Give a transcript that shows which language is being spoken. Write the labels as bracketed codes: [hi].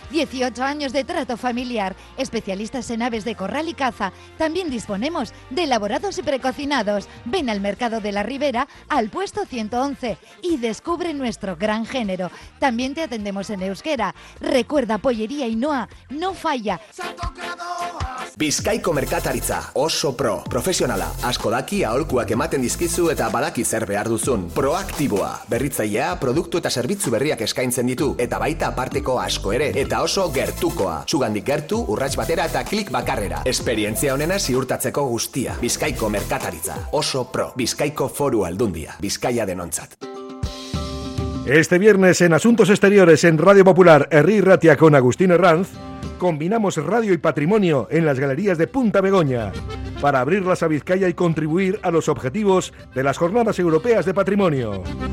[es] 18 años de trato familiar, especialistas en aves de corral y caza. También disponemos de elaborados y precocinados. Ven al Mercado de la Ribera, al puesto 111, y descubre nuestro gran género. También te atendemos en euskera. Recuerda, Pollería Ainhoa, no falla. [eu] Bizkaiko merkataritza, oso pro, profesionala, asko daki aholkuak ematen dizkizu eta badaki zer behar duzun. Proaktiboa, berritzailea, produktu eta zerbitzu berriak eskaintzen ditu, eta baita aparteko asko ere, eta oso gertukoa. Zugandik gertu, urrats batera eta klik bakarrera. Esperientzia honena ziurtatzeko guztia. Bizkaiko merkataritza, oso pro, Bizkaiko Foru Aldundia, Bizkaia denontzat. [es] Este viernes en Asuntos Exteriores en Radio Popular, Herri Irratia con Agustín Herranz, combinamos radio y patrimonio en las galerías de Punta Begoña para abrirlas a Vizcaya y contribuir a los objetivos de las Jornadas Europeas de Patrimonio.